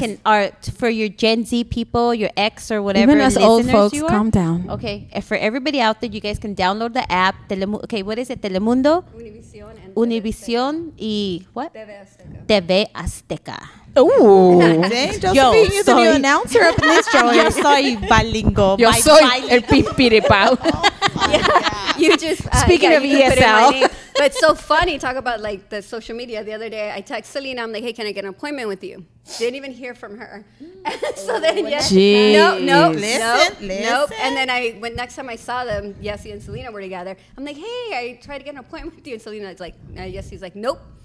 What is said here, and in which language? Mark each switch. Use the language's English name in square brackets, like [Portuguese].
[English] can art for your Gen Z people, your ex or whatever. Even us old folks, calm down. Okay, and for everybody out there, you guys can download the app. Okay, what is it? Telemundo? Univision and TV Azteca. TV Azteca. Ooh. Dang, Josephine, yo, you're the new announcer up in this joint. [Spanish] Yo soy bilingual. Yo soy el pipiripao. Oh, [English] yeah. you just speaking of ESL. But so funny, talk about like the social media. The other day I text Selena, I'm like, hey, can I get an appointment with you? Didn't even hear from her. So then and then I when next time I saw them, Yessi and Selena were together, I'm like, hey, I tried to get an appointment with you, and Selena's like, Yessi's like, nope.